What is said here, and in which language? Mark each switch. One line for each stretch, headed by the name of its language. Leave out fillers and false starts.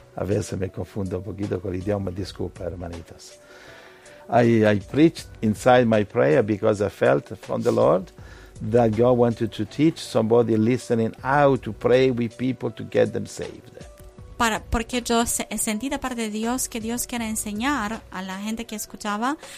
Spanish: A veces me confundo un poquito con l'idioma, disculpa, hermanitas.
English: I preached inside my prayer because I felt from the Lord that God wanted to teach somebody listening how to pray with people to get them saved.
Spanish: Porque yo he sentido parte de Dios que Dios quiere enseñar a la gente que escuchaba